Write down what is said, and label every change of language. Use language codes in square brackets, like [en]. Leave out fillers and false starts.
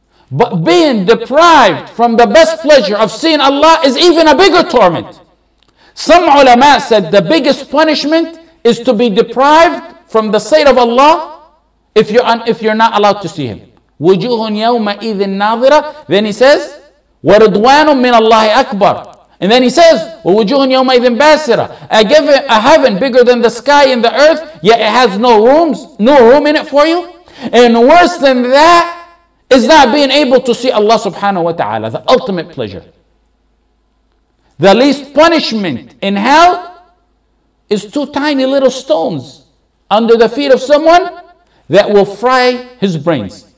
[en] But being deprived from the best pleasure of seeing Allah is even a bigger torment. Some ulama said the biggest punishment is to be deprived from the sight of Allah if you're not allowed to see Him. [ar] Wujuhun yawma idhin nadhira. [en] Then he says, [ar] وَرِضْوَانٌ مِّنَ اللَّهِ أَكْبَرٌ. [en] And then he says, [ar] وَوُجُوهٌ يَوْمَئِذٍ بَاسِرَةٌ. [en] A heaven bigger than the sky and the earth, yet it has no room in it for you. And worse than that is not being able to see Allah subhanahu wa ta'ala, the ultimate pleasure. The least punishment in hell is two tiny little stones under the feet of someone that will fry his brains.